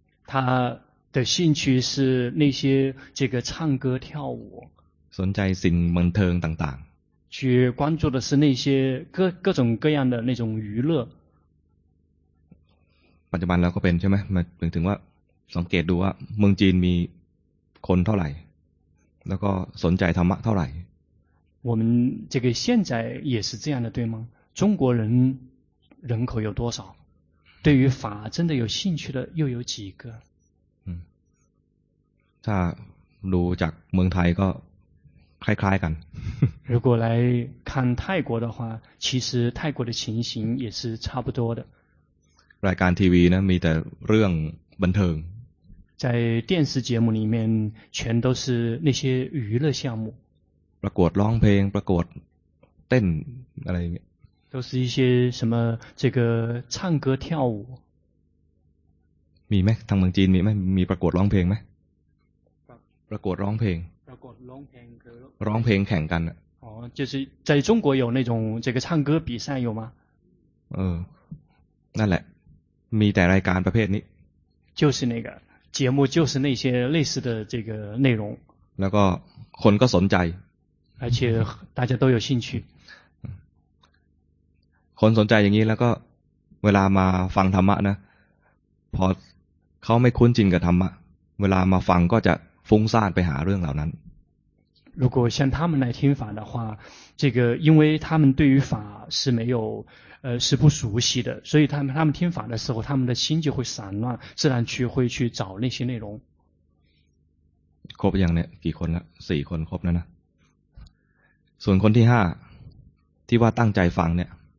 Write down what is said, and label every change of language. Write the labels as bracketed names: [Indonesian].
[Chinese] 他的兴趣是那些这个唱歌跳舞 [Thai] สนใจสิ่งบันเทิงต่าง [Chinese] ๆ去关注的是那些各种各样的那种娱乐 [Thai] ปัจจุบันเราก็เป็นใช่ไหมมาถึงว่าสังเกตดูว่าเมืองจีนมีคนเท่าไหร่แล้วก็สนใจธรรมะเท่าไหร่ [Chinese] 我们这个现在也是这样的对吗中国人口有多少对于法真的有兴趣的又有几个 [Thai] ถ้าดูจากเมืองไทยก็คล้ายๆกัน [Chinese] 如果来看泰国的话其实泰国的情形也是差不多的 [Thai] รายการทีวีนะมีแต่เรื่องบันเทิง [Chinese] 在电视节目里面全都是那些娱乐项目 [Thai] ประกวดร้องเพลงประกวดเต้นอะไรเงี้ย [Chinese] 都是一些什么这个唱歌跳舞 [Thai] มีไหมทางเมืองจีนมีไหมมีประกวดร้องเพลงไหมประกวดร้องเพลง ประกวดร้องเพลงคือร้องเพลงแข่งกัน [Chinese] อ๋อ就是在中国有那种这个唱歌比赛有吗 [Thai] เออนั่นแหละมีแต่รายการประเภทนี้ [Chinese] 就是那个节目就是那些类似的这个内容 [Thai] แล้วก็คนก็สนใจ [Chinese] 而且大家都有兴趣 [Thai] คนสนใจอย่างนี้แล้วก็เวลามาฟังธรรมะนะพอเขาไม่คุ้นจินกับธรรมะเวลามาฟังก็จะฟุ้งซ่านไปหาเรื่องเหล่านั้น [Chinese] 如果像他们来听法的话这个因为他们对于法是没有是不熟悉的所以他们听法的时候他们的心就会散乱自然去会去找那些内容 [Thai] ครบยังเนี่ยกี่คนละ4คนครบแล้วนะส่วนคนที่5ที่ว่าตั้งใจฟังเนี่ย